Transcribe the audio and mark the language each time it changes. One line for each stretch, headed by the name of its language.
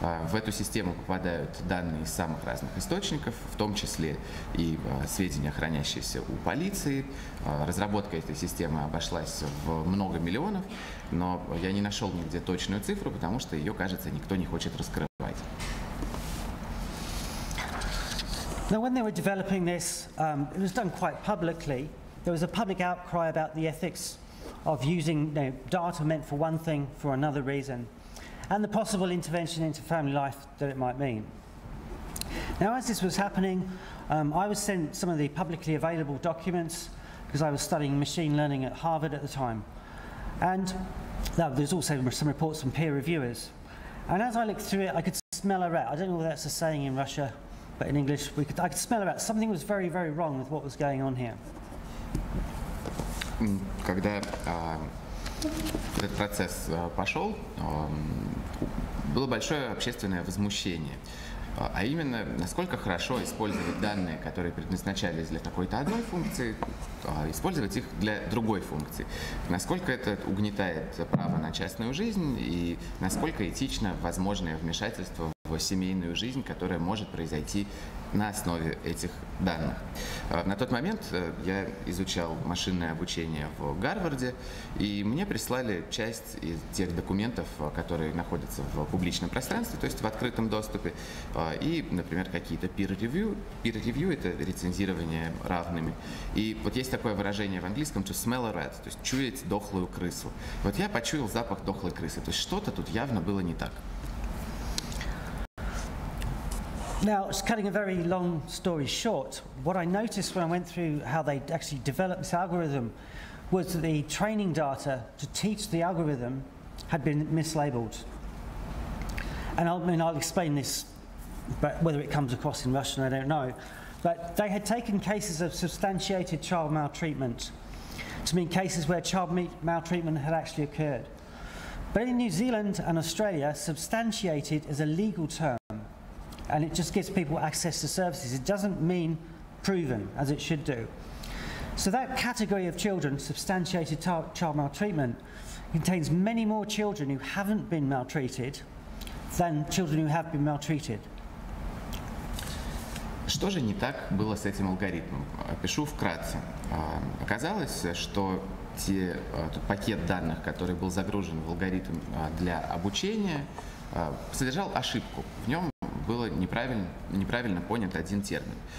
Russian: В эту систему попадают данные из самых разных источников, в том числе и сведения, хранящиеся у полиции. Разработка этой системы обошлась в много миллионов, но я не нашел нигде точную цифру, потому что ее, кажется, никто не хочет раскрывать.
English: Now, when they were developing this, it was done quite publicly. There was a public outcry about the ethics of using, you know, data meant for one thing for another reason, and the possible intervention into family life that it might mean. Now, as this was happening, I was sent some of the publicly available documents because I was studying machine learning at Harvard at the time. And there's also some reports from peer reviewers. And as I looked through it, I could smell a rat. I don't know whether that's a saying in Russia, but in English, I could smell a rat. Something was very, very wrong with what was going on here.
Russian: Когда этот процесс пошел, было большое общественное возмущение. А именно, насколько хорошо использовать данные, которые предназначались для какой-то одной функции, использовать их для другой функции. Насколько это угнетает право на частную жизнь и насколько этично возможное вмешательство в семейную жизнь, которая может произойти на основе этих данных. На тот момент я изучал машинное обучение в Гарварде, и мне прислали часть из тех документов, которые находятся в публичном пространстве, то есть в открытом доступе, и, например, какие-то peer review — это рецензирование равными. И вот есть такое выражение в английском
English: to smell a rat,
Russian: то есть чуять дохлую крысу. Вот я почуял запах дохлой крысы, то есть что-то тут явно было не так.
English: Now, just cutting a very long story short, what I noticed when I went through how they actually developed this algorithm was that the training data to teach the algorithm had been mislabeled. And I'll explain this, but whether it comes across in Russian, I don't know. But they had taken cases of substantiated child maltreatment to mean cases where child maltreatment had actually occurred. But in New Zealand and Australia, substantiated is a legal term. And it just gives people access to services. It doesn't mean proven, as it should do. So that category of children, substantiated child maltreatment, contains many more children who haven't been maltreated than children who have been maltreated.
Russian: Что же не так было с этим алгоритмом? Опишу вкратце. Оказалось, что тот пакет данных, который был загружен в алгоритм для обучения, содержал ошибку. В нем было неправильно понят один термин.